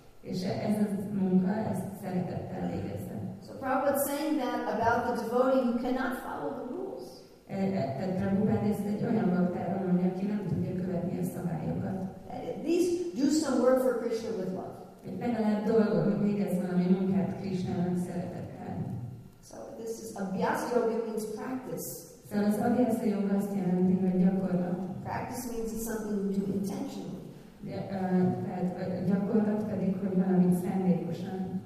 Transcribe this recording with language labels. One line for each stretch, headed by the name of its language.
Hungarian: És ez a munka, ez szeretettel végezve.
English: So Prabhupada saying that about the devotee who cannot follow the rules.
Hungarian: Tehát Prabhupada ezt egy olyan baktáról mondja, aki nem tudja követni a szabályokat.
English: At least do some work for Krishna with love.
Hungarian: Egy legalább dolgot végezve, ami munkát Krishna szeretettel.
English: So this is abhyas yoga means practice.
Hungarian: Szóval az abhyas yoga azt jelenti, hogy gyakorlat.
English: Practice means it's something you do intentionally.
Hungarian: Tehát gyakorlat pedig, hogy valamit szándékosan